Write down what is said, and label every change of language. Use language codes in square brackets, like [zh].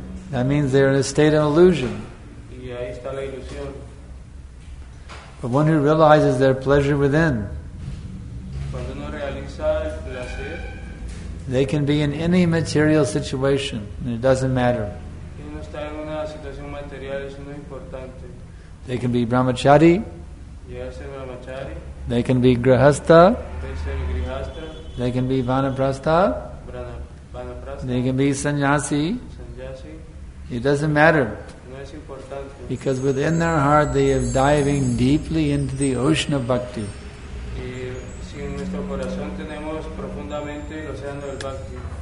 [en] That means they're in a state of illusion. [es] Y ahí está la ilusión. [en] But one who realizes their pleasure within, [es] cuando uno realiza el placer, [en] they can be in any material situation, and it doesn't matter. [es] Y uno está en una situación material, eso no es importante. [en] They can be brahmachari. Yes, brahmachari. They can be grihastha. Yes, [es] el grihastha. [en] They can be vanaprastha. [es] Vanaprastha. [en] They can be sannyasi. It doesn't matter. [es] No es importante. [en] Because within their heart they are diving deeply into the ocean of bhakti. [es] Y si en nuestro corazón tenemos profundamente el océano del bhakti.